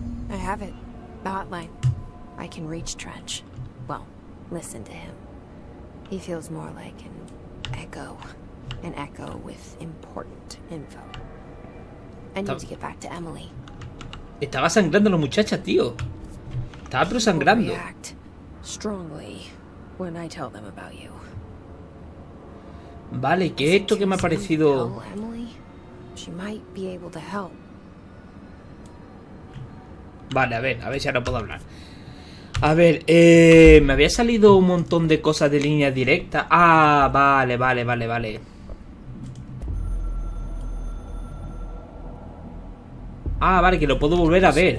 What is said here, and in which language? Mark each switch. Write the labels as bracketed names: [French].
[English] I have it. The hotline. I can reach Trench. Well, listen to him. He feels more like an echo with important info. I need to get back to Emily. [Spanish] Estaba sangrando la muchacha, tío. Estaba pero sangrando. [English] They'll react strongly when I tell them about you. [Spanish] Vale, ¿qué es esto que me ha parecido? [English] Emily, she might be able to help. [Spanish] Vale, a ver si ahora puedo hablar. A ver, me había salido un montón de cosas de línea directa. Ah, vale. Ah, vale, que lo puedo volver a ver.